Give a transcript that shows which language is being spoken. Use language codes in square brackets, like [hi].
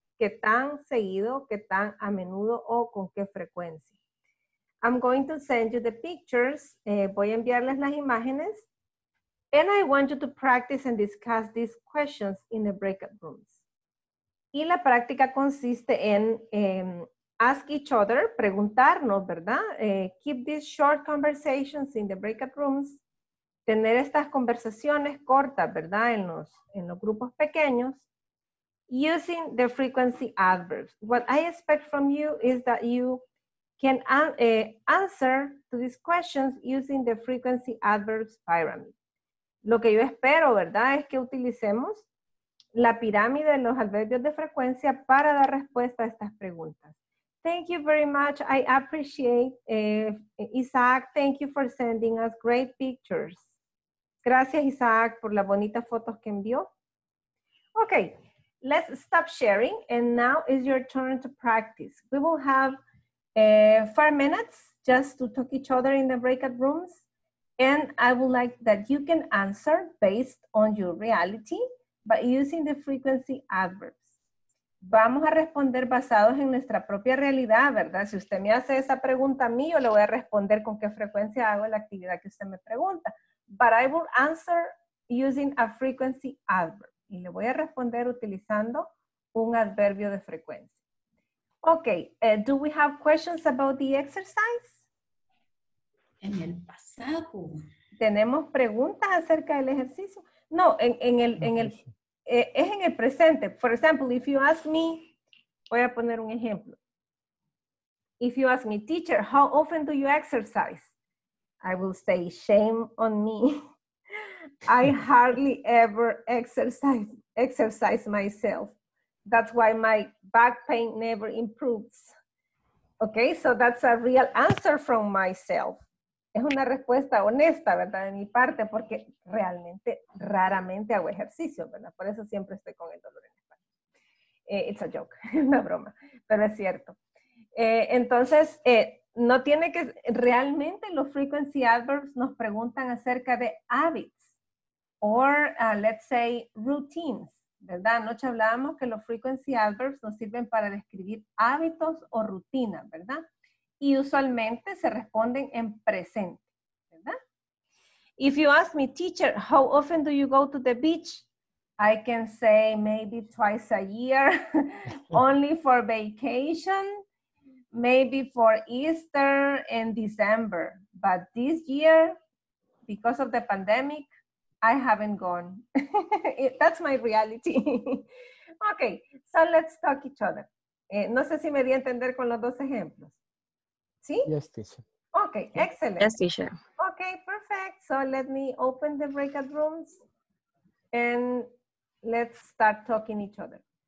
[es] ¿Qué tan seguido, qué tan a menudo o con qué frecuencia? [en] I'm going to send you the pictures. [es] Voy a enviarles las imágenes. [en] And I want you to practice and discuss these questions in the breakout rooms. [es] Y la práctica consiste en [en] ask each other, [es] preguntarnos, ¿verdad? [en] Keep these short conversations in the breakout rooms. [es] Tener estas conversaciones cortas, ¿verdad? En los grupos pequeños. [en] Using the frequency adverbs. What I expect from you is that you can answer to these questions using the frequency adverbs pyramid. [es] Lo que yo espero, ¿verdad? Es que utilicemos la pirámide de los adverbios de frecuencia para dar respuesta a estas preguntas. [en] Thank you very much. I appreciate Isaac. Thank you for sending us great pictures. [es] Gracias, Isaac, por las bonitas fotos que envió. [en] Okay, let's stop sharing and now is your turn to practice. We will have 5 minutes just to talk each other in the breakout rooms. And I would like that you can answer based on your reality by using the frequency adverbs. [es] Vamos a responder basados en nuestra propia realidad, ¿verdad? Si usted me hace esa pregunta a mí, yo le voy a responder con qué frecuencia hago la actividad que usted me pregunta. [en] But I will answer using a frequency adverb. [es] Y le voy a responder utilizando un adverbio de frecuencia. [en] Okay, do we have questions about the exercise? [es] En el pasado. ¿Tenemos preguntas acerca del ejercicio? No, es en el presente. [en] For example, if you ask me, [es] voy a poner un ejemplo. [en] If you ask me, teacher, how often do you exercise? I will say, shame on me. I hardly ever exercise myself. That's why my back pain never improves. Okay, so that's a real answer from myself. [es] Es una respuesta honesta, ¿verdad? De mi parte, porque realmente raramente hago ejercicio, ¿verdad? Por eso siempre estoy con el dolor en la espalda. [en] It's a joke, [es] una broma, pero es cierto. Entonces, no tiene que, realmente los frequency adverbs nos preguntan acerca de habits, [en] or let's say routines, [es] ¿verdad? Anoche hablábamos que los frequency adverbs nos sirven para describir hábitos o rutinas, ¿verdad? Y usualmente se responden en presente, ¿verdad? [en] If you ask me, teacher, how often do you go to the beach? I can say maybe twice a year, only for vacation, maybe for Easter and December. But this year, because of the pandemic, I haven't gone. That's my reality. Okay, so let's talk each other. [es] No sé si me di a entender con los dos ejemplos. ¿Sí? [en] Yes, teacher. Okay, excellent. Yes, teacher. Okay, perfect. So let me open the breakout rooms and let's start talking to each other.